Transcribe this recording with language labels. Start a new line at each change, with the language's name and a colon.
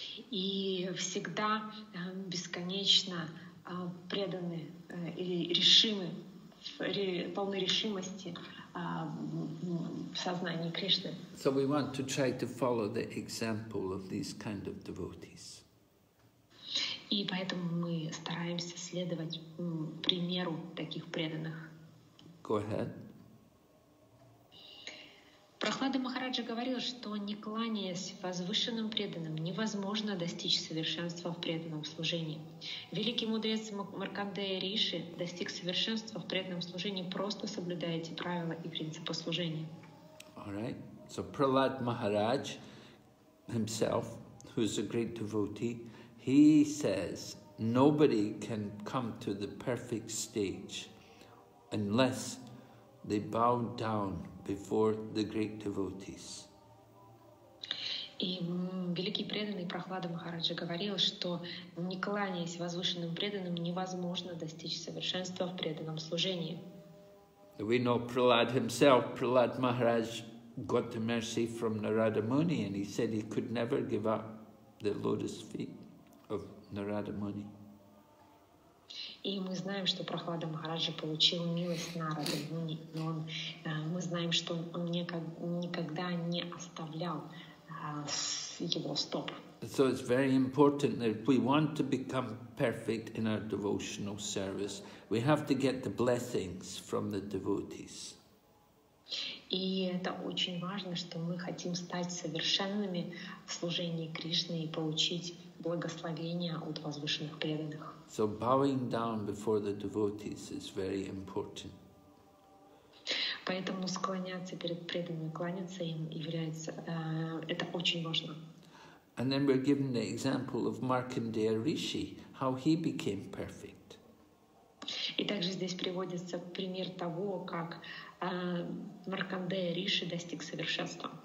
Russian: И всегда бесконечно преданы или решимы, полны решимости в сознании Кришны.
English: So we want to try to follow the example of these kind of devotees.
Russian: И поэтому мы стараемся следовать примеру таких преданных.
English: Go ahead.
Russian: Прохлада Махараджа говорил, что не кланяясь возвышенным преданным, невозможно достичь совершенства в преданном служении. Великий мудрец Маркандея Риши достиг совершенства в преданном служении, просто соблюдая эти правила и принципы служения.
English: All right. So Prahlad Maharaj himself, who is a great devotee, he says, nobody can come to the perfect stage unless they bow down before the great devotees.
Russian: И великий преданный Прохлада Махараджа говорил, что не кланяясь возвышенным преданным, невозможно достичь совершенства в преданном служении.
English: We know Prahlad himself, Prahlad Maharaj got the mercy from Narada Muni and he said he could never give up the lotus feet of Narada Muni.
Russian: И мы знаем, что Прохлада Махараджа получил милость Нарады Муни, но он, мы знаем, что он никогда не оставлял его стоп.
English: So it's very important that if we want to become perfect in our devotional service, we have to get the blessings from the devotees.
Russian: И это очень важно, что мы хотим стать совершенными в служении Кришне и получить благословение от возвышенных преданных.
English: So bowing down before the devotees is very important.
Russian: Поэтому склоняться перед преданными, кланяться им является это очень важно.
English: And then we're given the example of Markandeya Rishi, how he became perfect.
Russian: И также здесь приводится пример того, как Маркандея Риши достиг совершенства.